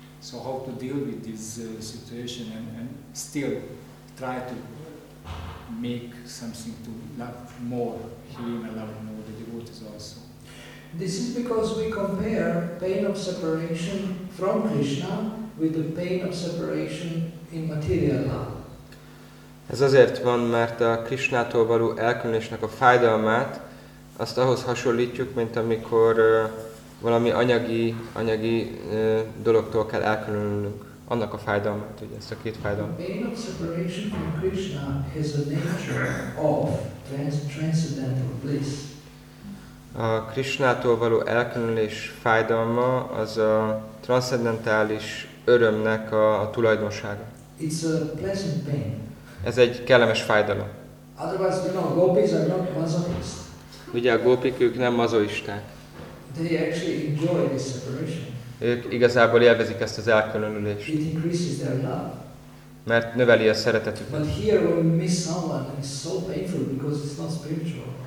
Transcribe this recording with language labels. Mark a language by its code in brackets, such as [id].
[en] So how to deal with this situation and still try to make something to love more him and love more the devotees also. This is because we compare pain of separation from Krishna with the pain of separation in material love. [hu] Ez azért van, mert a Krishnától való elkülönésnek a fájdalmát azt ahhoz hasonlítjuk, mint amikor valami anyagi dologtól kell elkülönülnünk. Annak a fájdalmát, ugye ezt a két fájdalmat. [en] The pain of separation from Krishna has a nature of transcendental bliss. [hu] A Krishnától való elkülönülés fájdalma az a transzcendentális örömnek a tulajdonsága. [en] It's a pleasant pain. [hu] Ez egy kellemes fájdalom. [en] Otherwise, you know, gopis are not mazoists. [hu] Ugye a gópik, ők nem mazoisták. [en] They actually enjoy this separation. [hu] ők igazából élvezik ezt az elkülönülést. [en] It increases their love. [hu] Mert növeli a szeretetüket. [en] But here when we miss someone, it's so painful because it's not spiritual.